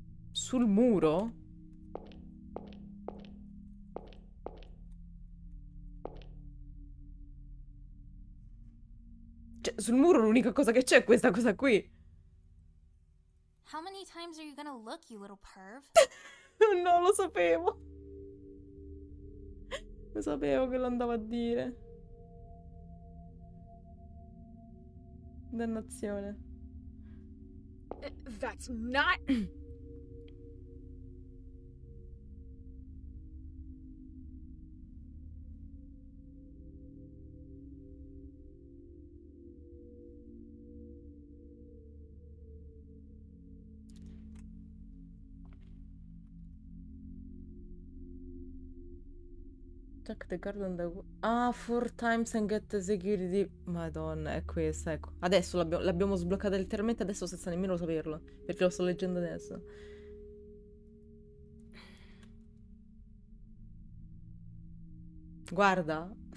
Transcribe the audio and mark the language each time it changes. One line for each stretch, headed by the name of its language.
Italian: Sul muro? Sul muro l'unica cosa che c'è è questa cosa qui.
English: How many times are you gonna look, you little perv?
Italian: No, lo sapevo. Lo sapevo che lo andavo a dire. Dannazione.
English: That's not. Jack the Garden. Ah, four times and get executed.
Italian: Madonna, è questa, ecco. Adesso l'abbiamo sbloccata letteralmente adesso senza nemmeno saperlo, perché lo sto leggendo adesso. Guarda.